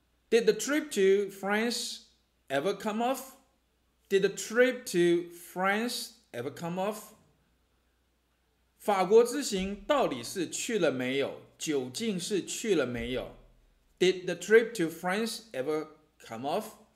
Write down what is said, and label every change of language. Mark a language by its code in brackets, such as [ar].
[en] Did the trip to France ever come off? Did the trip to France ever come off? [zh] 法国之行到底是去了没有？究竟是去了没有？ [en] Did the trip to France ever come off?